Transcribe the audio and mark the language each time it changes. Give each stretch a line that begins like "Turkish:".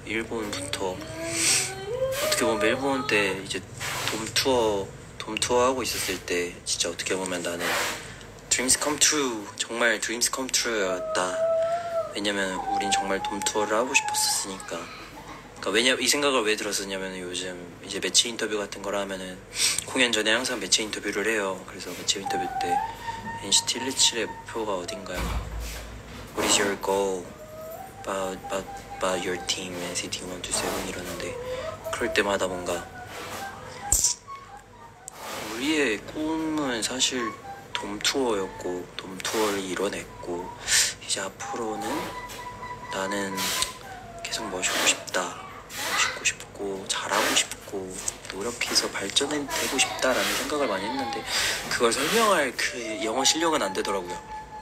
Korean: 일본부터 어떻게 보면 멜버른 때 이제 돔 투어 하고 있었을 때 진짜 어떻게 보면 나는 드림스 컴 트루, 정말 드림스 컴 트루였다. 왜냐면 우린 정말 돔 투어를 하고 싶었으니까. 그러니까 이 생각을 왜 들었었냐면 요즘 이제 매체 인터뷰 같은 걸 하면은 공연 전에 항상 매체 인터뷰를 해요. 그래서 매체 인터뷰 때 NCT 127의 목표가 어딘가요?
English: What is your goal about your team, NCT 127?
Korean: 이러는데 그럴 때마다 뭔가 우리의 꿈은 사실 돔 투어였고 돔 투어를 이뤄냈고 이제 앞으로는 나는 계속 멋있고 싶다. 멋있고 싶고 잘하고 싶고 노력해서 발전되고 싶다라는 생각을 많이 했는데 그걸 설명할 그 영어 실력은 안 되더라고요.